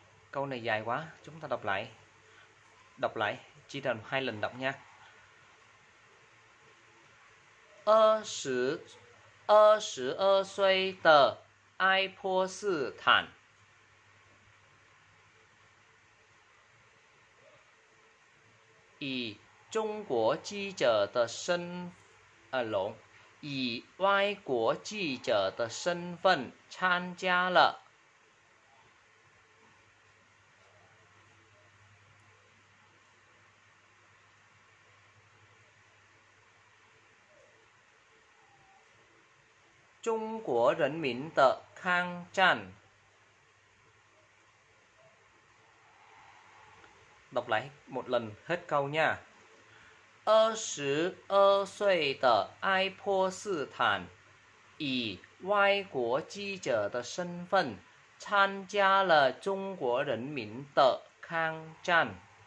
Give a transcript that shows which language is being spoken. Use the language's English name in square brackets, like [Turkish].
[Vietnamese] Câu này dài quá, chúng ta đọc lại. Đọc lại, chia thành hai lần đọc nha. Y ngoại quốc ký giả [Chinese] 的身份参加了中国人民的抗战。 [Vietnamese] Đọc lại một lần hết câu nha. [Chinese] 22岁的爱泼斯坦 以外国记者的身份参加了中国人民的抗战。